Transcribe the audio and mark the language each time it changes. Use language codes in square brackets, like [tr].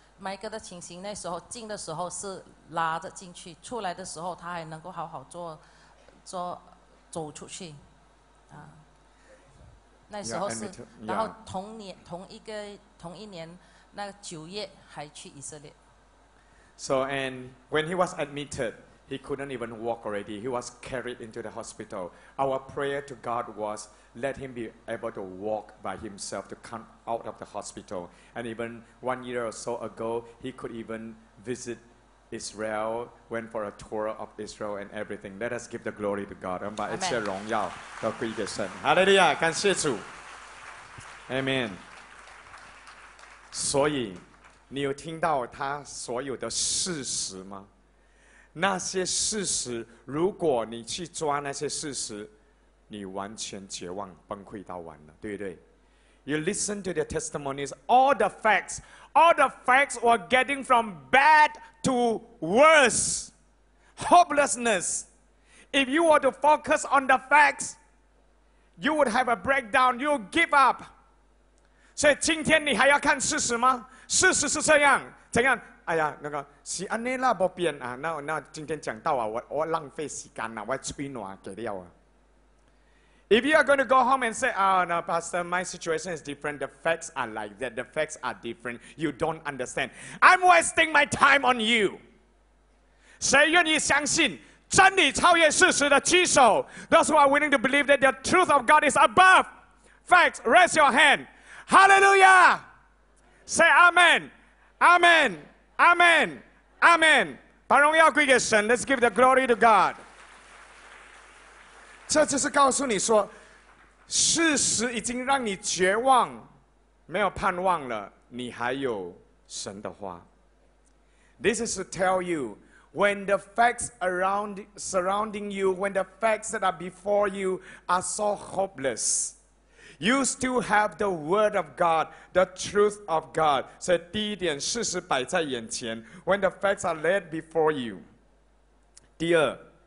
[zh] 麦哥的情形，那时候进的时候是拉着进去，出来的时候他还能够好好做走出去，那时候是， yeah, 然后同年、yeah. 同一年那九月还去以色列。 [en] So and when he was admitted, he couldn't even walk already. He was carried into the hospital. Our prayer to God was let him be able to walk by himself to come. Out of the hospital, and even 1 year or so ago, he could even visit Israel, went for a tour of Israel and everything. Let us give the glory to God. [zh] 我们把一切荣耀都归给神。 [en] Hallelujah! [zh] 感谢主。 [en] Amen. [zh] 所以，你有听到他所有的事实吗？那些事实，如果你去抓那些事实，你完全绝望、崩溃到完了，对不对？ [en] You listen to their testimonies, all the facts were getting from bad to worse. Hopelessness. If you were to focus on the facts, you would have a breakdown, you would give up. [zh] 所以今天你还要看事实吗？事实是这样，怎样？哎呀，那个是安尼啦，不变啊。那今天讲到啊，我浪费时间了，我吹暖给了啊。 [en] If you are going to go home and say, oh, no, Pastor, my situation is different. The facts are like that. The facts are different. You don't understand. I'm wasting my time on you. [zh] 谁愿意相信真理超越事实的举手 [en] Those who are willing to believe that the truth of God is above facts, raise your hand. Hallelujah. Say Amen. Amen. Amen. Amen. [zh] 把荣耀归给神 [en] Let's give the glory to God. [zh] 这就是告诉你说，事实已经让你绝望，没有盼望了，你还有神的话。 [en] This is to tell you, when the facts around surrounding you, when the facts that are before you are so hopeless, you still have the word of God, the truth of God. [zh] 所以第一点，事实摆在眼前 ， [en] when the facts are laid before you。 [zh] 第二。